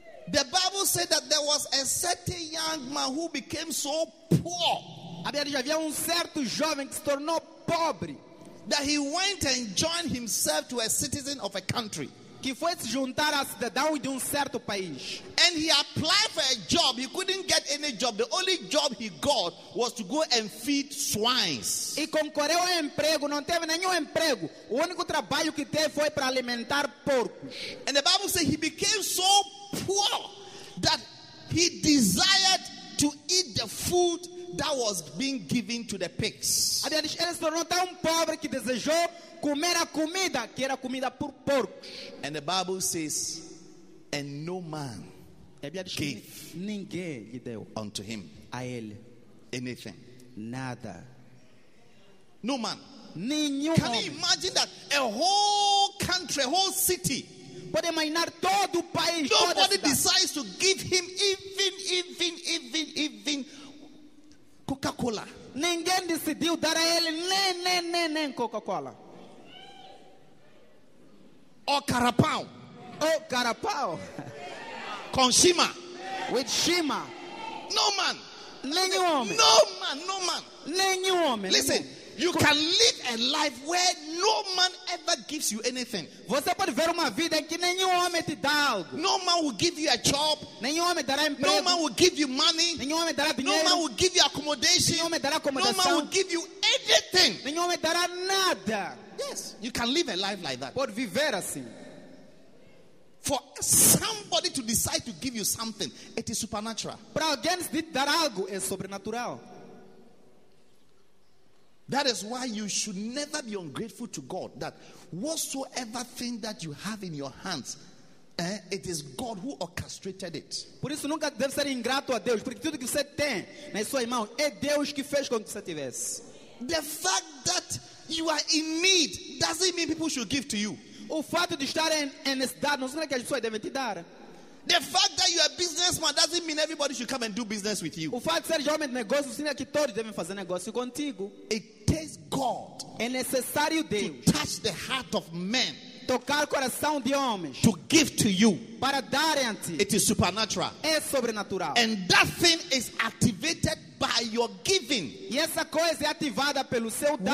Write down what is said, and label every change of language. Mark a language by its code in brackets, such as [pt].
[en] The Bible said that there was a certain young man who became so poor. [pt] A Bíblia diz, havia certo jovem que se tornou pobre. [en] That he went and joined himself to a citizen of a country. [pt] que foi se juntar à cidadão de certo país. [en] And he applied for a job. He couldn't get any job. The only job he got was to go and feed swines. [pt] E concorreu a emprego, não teve nenhum emprego. O único trabalho que teve foi para alimentar porcos. [en] And the Bible says he became so poor that he desired to eat the food that was being given to the pigs. [pt] Aliás, ele se tornou tão pobre que desejou comer a comida que era comida por porcos. [en] And the Bible says, and no man gave [pt] ninguém lhe deu [en] unto him [pt] a ele [en] anything. [pt] Nada. [en] No man. [pt] Nenhum. [en] Can you imagine that? A whole country, a whole city. [pt] Pode imaginar todo o país. [en] Nobody decides to give him even Coca-Cola. [pt] Ninguém decidiu dar a ele nem Coca-Cola. [en] Or Carapau. [pt] Oh, Carapau. Com Shima. [en] With Shima. No man. [pt] Nenhum homem. [en] No man. [pt] Nenhum homem. [en] Listen, you can live a life where no man ever gives you anything. [pt] Você pode ver uma vida em que nenhum homem te dá algo. [en] No man will give you a job. [pt] Nenhum homem dará emprego. [en] No man will give you money. [pt] Nenhum homem dará dinheiro. [en] No man will give you accommodation. [pt] Nenhum homem dará acomodação. [en] No man will give you anything. [pt] Nenhum homem dará nada. [en] Yes, you can live a life like that. [pt] Pode viver assim. [en] For somebody to decide to give you something, it is supernatural. [pt] Para alguém se dar algo é sobrenatural. [en] That is why you should never be ungrateful to God, that whatsoever thing that you have in your hands, it is God who orchestrated it. [pt] Por isso nunca deve ser ingrato a Deus, porque tudo que você tem na sua mão é Deus que fez com que você tivesse. [en] The fact that you are in need doesn't mean people should give to you. [pt] O fato de estar em necessidade não significa que as pessoas devem te dar. [en] The fact that you are a businessman doesn't mean everybody should come and do business with you. [pt] O fato de ser homem de negócio significa que todos devem fazer negócio contigo. [en] It takes God. [pt] É necessário Deus. [en] To touch the heart of men. [pt] Tocar o coração de homens. [en] To give to you. [pt] Para dar a ti. [en] It is supernatural. [pt] É sobrenatural. [en] And that thing is activated by your giving. [pt] E essa coisa é ativada pelo seu dar.